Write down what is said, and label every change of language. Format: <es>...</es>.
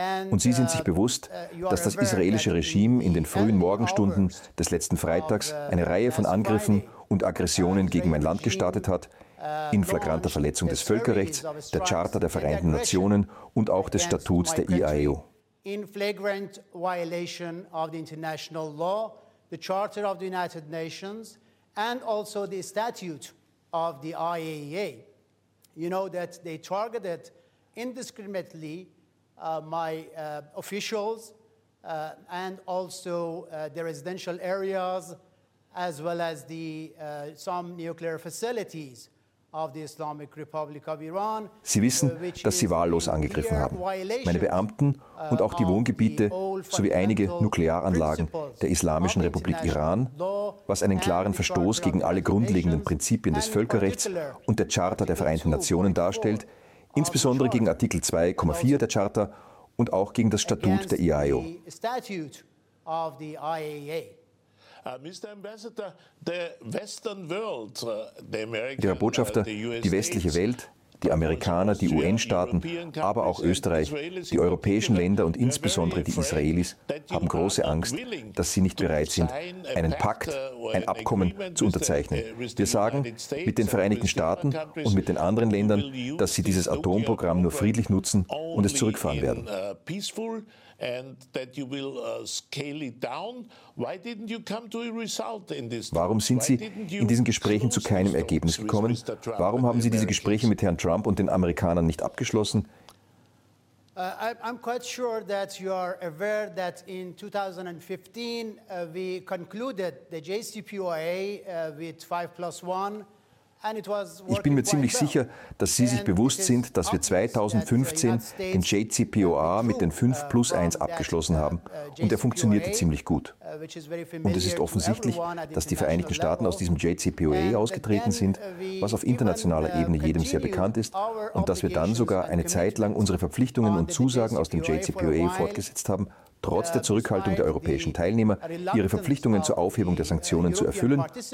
<de>Und Sie sind sich bewusst, dass das israelische Regime in den frühen Morgenstunden des letzten Freitags eine Reihe von Angriffen und Aggressionen gegen mein Land gestartet hat, in flagranter Verletzung des Völkerrechts, der Charta der Vereinten Nationen und auch des Statuts der IAEA.</de> <en>In flagrant violation of the international law, the Charter of the United Nations and also the statute of the IAEA. You know that they targeted indiscriminately my officials and also the residential areas, as well as the some nuclear facilities of the Islamic Republic of Iran.</en> <de>Sie wissen, dass sie wahllos angegriffen haben. Meine Beamten und auch die Wohngebiete sowie einige Nuklearanlagen der Islamischen Republik Iran, was einen klaren Verstoß gegen alle grundlegenden Prinzipien des Völkerrechts und der Charta der Vereinten Nationen darstellt, insbesondere gegen Artikel 2,4 der Charta und auch gegen das Statut der IAEA.</de> <en>Mr. Ambassador, the Western world, the American,</en> <de>der Botschafter, die westliche Welt, die Amerikaner, die UN-Staaten, aber auch Österreich, die europäischen Länder und insbesondere die Israelis haben große Angst, dass sie nicht bereit sind, einen Pakt, ein Abkommen zu unterzeichnen. Wir sagen mit den Vereinigten Staaten und mit den anderen Ländern, dass sie dieses Atomprogramm nur friedlich nutzen und es zurückfahren werden.</de> <en>and that you will scale it down. Why didn't you come to a result in this?</en> <de>Warum sind Sie in diesen Gesprächen zu keinem Ergebnis gekommen? Warum haben Sie diese Gespräche mit Herrn Trump und den Amerikanern nicht abgeschlossen?</de> <en>I'm quite sure that you are aware that in 2015 we concluded the JCPOA with 5+1.</en> <de>Ich bin mir ziemlich sicher, dass Sie sich bewusst sind, dass wir 2015 den JCPOA mit den 5 plus 1 abgeschlossen haben und er funktionierte ziemlich gut. Und es ist offensichtlich, dass die Vereinigten Staaten aus diesem JCPOA ausgetreten sind, was auf internationaler Ebene jedem sehr bekannt ist, und dass wir dann sogar eine Zeit lang unsere Verpflichtungen und Zusagen aus dem JCPOA fortgesetzt haben, trotz der Zurückhaltung der europäischen Teilnehmer, ihre Verpflichtungen zur Aufhebung der Sanktionen zu erfüllen.</de>